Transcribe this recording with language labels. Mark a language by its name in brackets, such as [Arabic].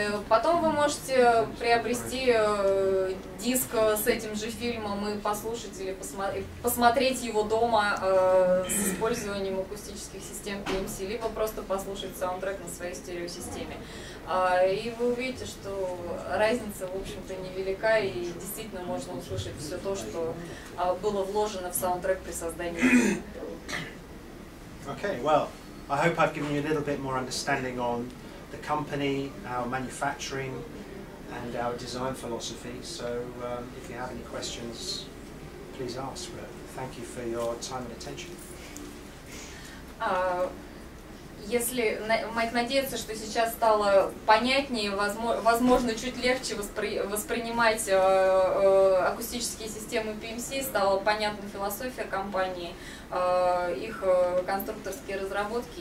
[Russian] Потом вы можете приобрести диск с этим же фильмом и послушать или посмотреть его дома с использованием акустических систем PMC, либо просто послушать саундтрек на своей стереосистеме. И вы увидите, что разница, в общем-то, невелика, и действительно можно услышать все то, что было вложено в саундтрек при создании. [English] Okay, well, I hope I've given you a little bit more understanding on the company, our manufacturing, and our design philosophy. So if you have any questions, please ask. But thank you for your time and attention. [Russian] если Майк надеется, что сейчас стало понятнее, возможно, чуть легче воспринимать акустические системы PMC, стала понятна философия компании, их конструкторские разработки.